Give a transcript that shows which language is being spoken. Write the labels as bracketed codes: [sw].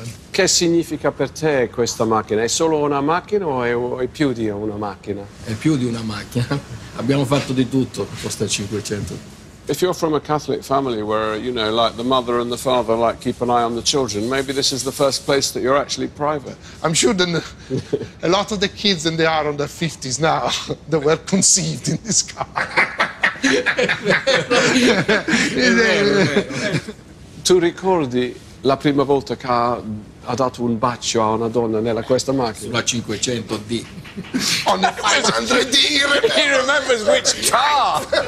[it] Che significa per te questa macchina? È solo una macchina o è più di una macchina? È più di una macchina. Abbiamo fatto di tutto con questa 500. [en] If you're from a Catholic family where, you know, like the mother and the father, like, keep an eye on the children, maybe this is the first place that you're actually private. I'm sure that a lot of the kids, and they are in their 50s now, they were conceived in this car. [it] Tu ricordi la prima volta che ha dato un bacio a una donna nella questa macchina? Sulla 500D. [en] On the 500D, he remembers which car!